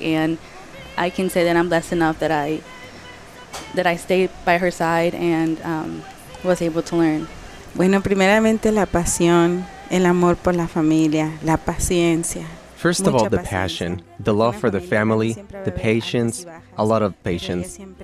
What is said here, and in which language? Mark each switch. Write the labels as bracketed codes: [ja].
[en] And I can say that I'm blessed enough that I stayed by her side and was able to learn. [es] Bueno, primeramente la pasión, el amor por la familia, la paciencia. [en] First of all, the passion, the love for the family, the patience, a lot of patience.